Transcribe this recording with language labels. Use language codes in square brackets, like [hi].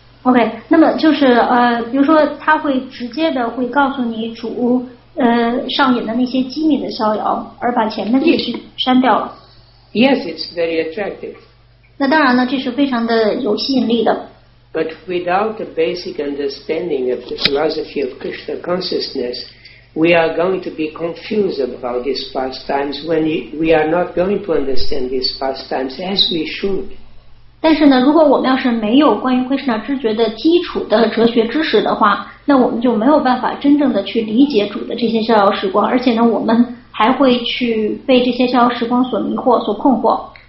[zh] OK, 那么就是比如说他会直接的会告诉你主上演的那些机密的逍遥，而把前面的是删掉了。 [en] Yes, it's very attractive. [zh] 那当然呢，这是非常的有吸引力的。 [en] But without a basic understanding of the philosophy of Krishna consciousness, we are going to be confused about these pastimes when we are not going to understand these pastimes as we should. [zh] 但是呢，如果我们要是没有关于 Krishna 知觉的基础的哲学知识的话，那我们就没有办法真正的去理解主的这些逍遥时光，而且呢，我们还会去被这些逍遥时光所迷惑、所困惑。